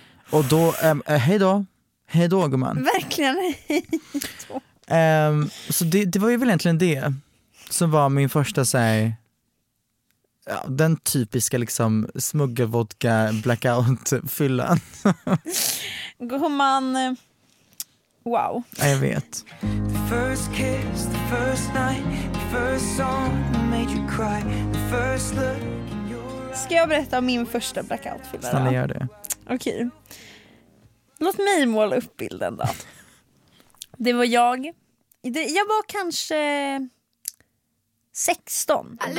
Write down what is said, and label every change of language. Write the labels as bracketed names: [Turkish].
[Swedish] Och då hej då gumman. Verkligen hej då. Så det var ju väl egentligen det som var min första så här, ja, den typiska liksom smuggelvodka blackout fyllan. Gumman, wow. Ja, jag vet. [English] The first kiss, the first night, the first song made you cry, the first look your... [Swedish] Ska jag berätta om min första blackout fylla? Snälla, gör det. Okej. Låt mig måla upp bilden då. Det var jag. Jag var kanske 16.